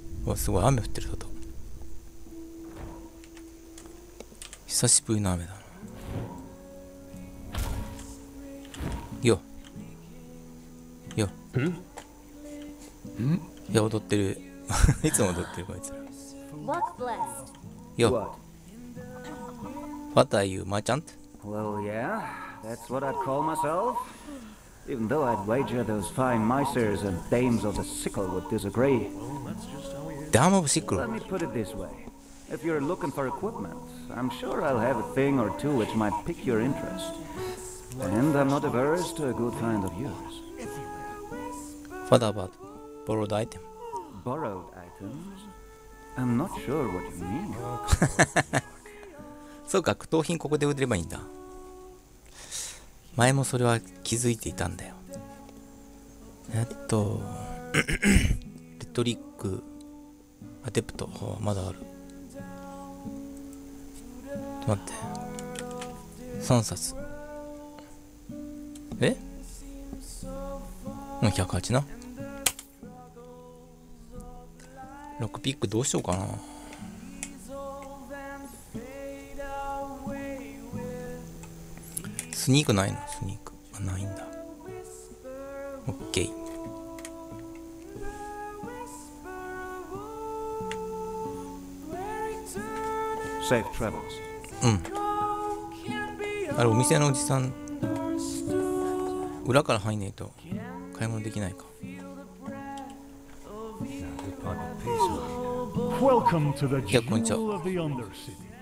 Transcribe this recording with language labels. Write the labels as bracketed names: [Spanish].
[Japanese] わ、すごい雨降ってる。外久しぶりの雨だな。よよん？いや、踊ってる。いつも踊ってるこいつら。 [English] よ、What are you, merchant? Well, yeah, that's what I'd call myself. Even though I'd wager those fine misers and dames of the sickle would disagree. Dame of sickle? Let me put it this way. If you're looking for equipment, I'm sure I'll have a thing or two which might pique your interest. And I'm not averse to a good find of yours. What about borrowed item? Borrowed items? I'm not sure what you mean. [Japanese] そうか、苦闘品ここで売ればいいんだ。前もそれは気づいていたんだよ。レトリックアデプト、まだある。待って、3冊。え？もう108な。ロックピックどうしようかな。スニークないの？スニークあ、ないんだ。オッケー。 [English] Safe travels. うん。 [Japanese] あれお店のおじさん裏から入んねえと買い物できないか。 [English] Welcome to the jewel of the Undercity.